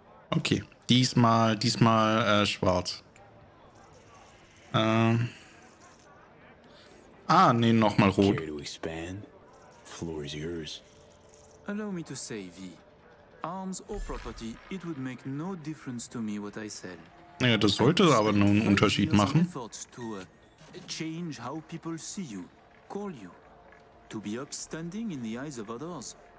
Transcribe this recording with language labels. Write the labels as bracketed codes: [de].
[de] Okay, diesmal schwarz. Nee, nochmal rot. [en] Care to expand? Floor is yours. Allow me to say, V. Arms or property, it would make no difference to me what I sell. [de] Ja, das sollte aber nun einen Unterschied machen. [en] Change how people see you, call you. To be upstanding in the eyes of others.